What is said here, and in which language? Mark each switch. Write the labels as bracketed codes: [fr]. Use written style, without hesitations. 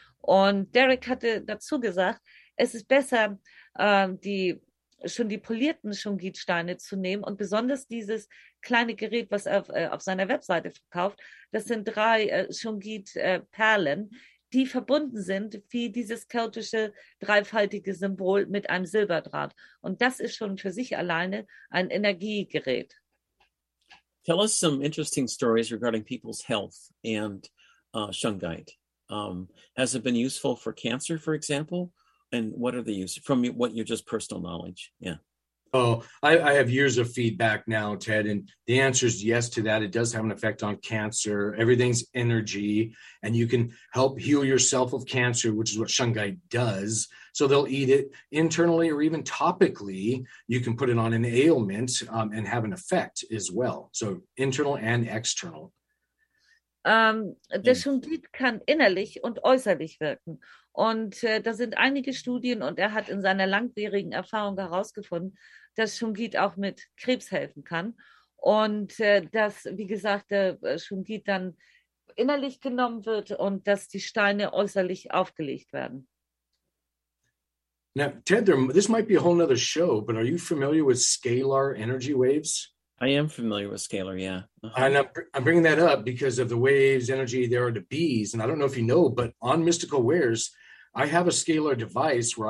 [de] Und Derek hatte dazu gesagt, es ist besser, die polierten Shungite-Steine zu nehmen und besonders dieses kleine Gerät, was er auf seiner Webseite verkauft, das sind drei Shungite-Perlen, die verbunden sind wie dieses keltische dreifaltige Symbol mit einem Silberdraht. Und das ist schon für sich alleine ein Energiegerät. [en] Tell us some interesting stories regarding people's health and Shungite. Has it been useful for cancer, for example? And what are the uses from what your just personal knowledge? Yeah. Oh, I have years of feedback now, Ted, and the answer is yes to that. It does have an effect on cancer. Everything's energy, and you can help heal yourself of cancer, which is what Shungite does. So they'll eat it internally or even topically. You can put it on an ailment and have an effect as well. So internal and external. [de] Der Shungite kann innerlich und äußerlich wirken. Und da sind einige Studien und er hat in seiner langjährigen Erfahrung herausgefunden, dass Shungite auch mit Krebs helfen kann. Und dass, wie gesagt, der Shungite dann innerlich genommen wird und dass die Steine äußerlich aufgelegt werden. [en] Now, Ted, this might be a whole other show, but are you familiar with scalar energy waves? I am familiar with scalar, yeah. Uh-huh. And I'm bringing that up because of the waves, energy, there are the bees. And I don't know if you know, but on Mystical Wares, I have a scalar device where